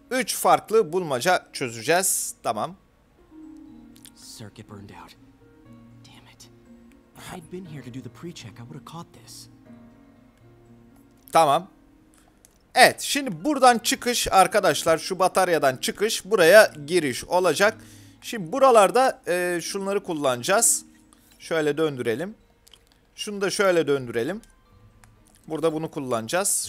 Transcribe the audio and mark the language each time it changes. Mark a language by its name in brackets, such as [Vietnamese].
[Turkish] 3 farklı bulmaca çözeceğiz. Tamam. [English] Circuit burned out. Damn it. If I'd been here to do the pre-check, I would have caught this. [Turkish] Tamam. Evet, şimdi buradan çıkış arkadaşlar, şu bataryadan çıkış, buraya giriş olacak. Şimdi buralarda şunları kullanacağız. Şöyle döndürelim. Şunu da şöyle döndürelim. Burada bunu kullanacağız.